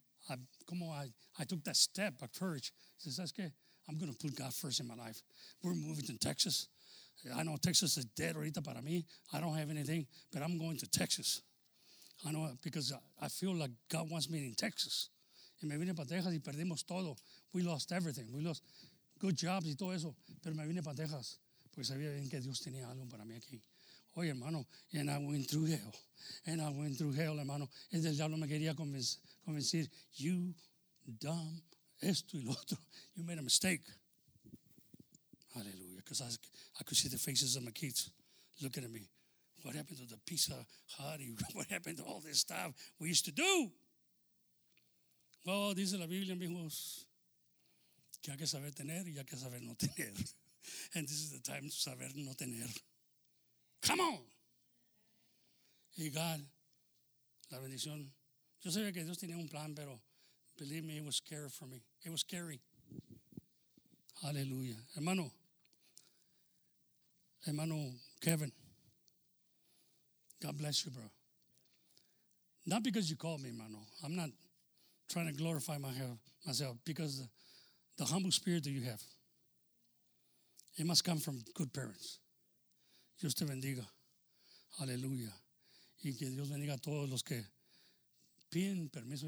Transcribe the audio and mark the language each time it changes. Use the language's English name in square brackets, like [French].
[English] I took that step of courage. He says, that's okay. I'm going to put God first in my life. We're moving to Texas. I know Texas is dead [Spanish] ahorita para mí. [English] I don't have anything, but I'm going to Texas. I know because I feel like God wants me in Texas. [Spanish] Y me vine para Texas y perdimos todo. [English] We lost everything. We lost good jobs [Spanish] y todo eso. Pero me vine para Texas porque sabía bien que Dios tenía algo para mí aquí. Oye, hermano, [English] and I went through hell. And I went through hell, hermano. [Spanish] Y del diablo me quería convencer. [English] You dumb, [Spanish] esto y lo otro. [English] You made a mistake. Hallelujah. Because I could see the faces of my kids looking at me. What happened to the peace of heart? What happened to all this stuff we used to do? [Spanish] Well, dice la Biblia, amigos, que hay que saber tener y hay que saber no tener. [English] And this is the time to [Spanish] saber no tener. [English] Come on! [Spanish] Y God, la bendición. Yo sabía que Dios tenía un plan, pero [English] believe me, it was scary for me. It was scary. Hallelujah. Hermano Kevin, God bless you, bro. Not because you called me, hermano. I'm not trying to glorify myself because the humble spirit that you have, it must come from good parents. [Spanish] Dios te bendiga. Hallelujah. Y que Dios bendiga a todos los que piden permiso.